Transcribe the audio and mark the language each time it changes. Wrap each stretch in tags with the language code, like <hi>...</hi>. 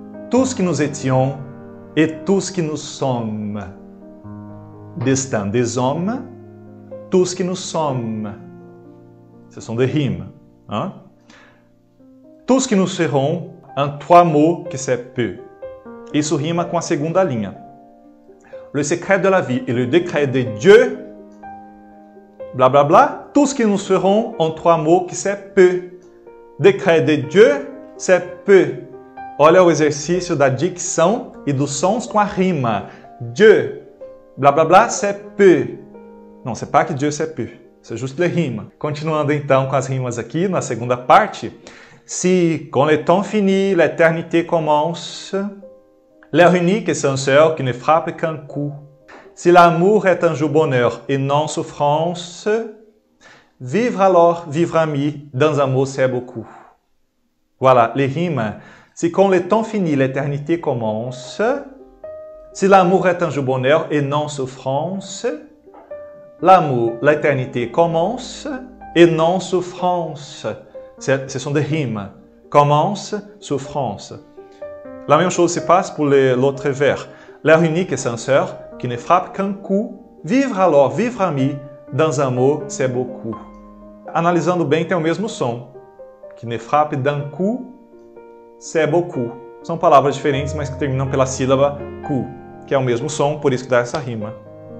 <fr>Tout ce que nous étions et tout ce que nous sommes. Destin des hommes, tout ce que nous sommes. Ce sont des rimes, hein? Tous que nous serons en trois mots que c'est peu.</fr> <pt>Isso rima com a segunda linha.</pt> <fr>Le secret de la vie et le décret de Dieu. Bla bla bla. Tous que nous serons en trois mots que c'est peu. Décret de Dieu, c'est peu.</fr> <pt>Olha o exercício da dicção e dos sons com a rima.</pt> <fr>Dieu, blá blá blá, c'est peu.</fr> <pt>Não,</pt> <fr>c'est pas que Dieu, c'est peu. C'est juste le rime.</fr> <pt>Continuando então com as rimas aqui na segunda parte.</pt> <fr>Si, con le temps fini, l'éternité commence. L'heure unique est un seul qui ne frappe qu'un coup. Si l'amour est un jour bonheur et non souffrance, vivre alors, vivre ami, dans un mot c'est beaucoup. Voilà, les rimes. Si con le temps fini, l'éternité commence. Si l'amour est un jour bonheur et non souffrance, l'amour, l'éternité commence et non souffrance. Ce sont des rimes. Commence, souffrance. La même chose se passe pour l'autre vers. L'heure unique est censeur qui ne frappe qu'un coup. Vivre alors, vivre ami, dans un mot, c'est beaucoup.</fr> <pt>Analisando bem, tem o mesmo som.</pt> <fr>Qui ne frappe d'un coup, c'est beaucoup.</fr> <pt>São palavras diferentes, mas que terminam pela sílaba cu, que é o mesmo som, por isso que dá essa rima.</pt>